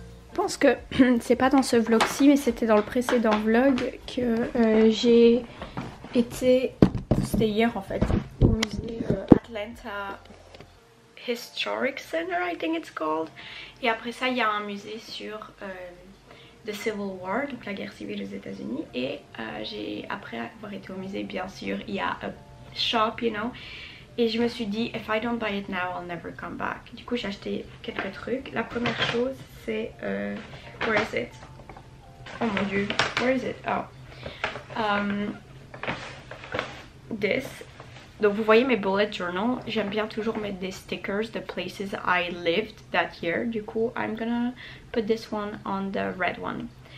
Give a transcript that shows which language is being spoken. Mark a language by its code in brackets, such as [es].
[fr] Je pense que c'est pas dans ce vlog-ci, mais c'était dans le précédent vlog que j'ai été, c'était hier en fait, au musée Atlanta Historic Center, [en] I think it's called. [fr] Et après ça, il y a un musée sur The Civil War, donc la guerre civile aux États-Unis. Et j'ai, après avoir été au musée, bien sûr, il y a un shop, [en] you know. [fr] Et je me suis dit, [en] if I don't buy it now, I'll never come back. [fr] Du coup, j'ai acheté quelques trucs. La première chose, c'est... [en] where is it? [fr] Oh mon dieu, [en] where is it? [fr] Oh. [en] This. [fr] Donc, vous voyez mes bullet journal. J'aime bien toujours mettre des stickers, [en] the places I lived that year. [fr] Du coup, [en] I'm gonna put this one on the red one.